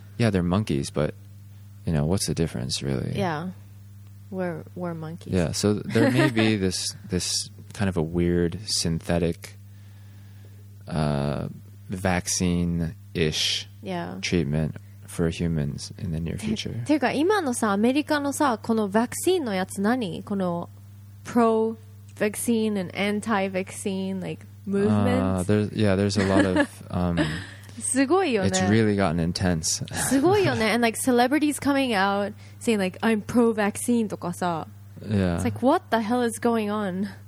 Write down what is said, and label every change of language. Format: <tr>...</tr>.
<en>yeah, they're monkeys, but, you know, what's the difference, really? Yeah. We're monkeys. Yeah, so there may be this kind of a weird synthetic vaccine-ish treatment for humans in the near future.</en> <ja>ていうか、今のさ、アメリカのさ、このワクチンのやつ何？</ja> <en>この pro-vaccine and anti-vaccine, like, movement? There's a lot of...</en> <ja>すごいよね。</ja> <en>It's really gotten intense.</en> <ja>すごいよね。</ja> <en>And like celebrities coming out saying like, I'm pro-vaccine とかさ。 Yeah. It's like, what the hell is going on?</en>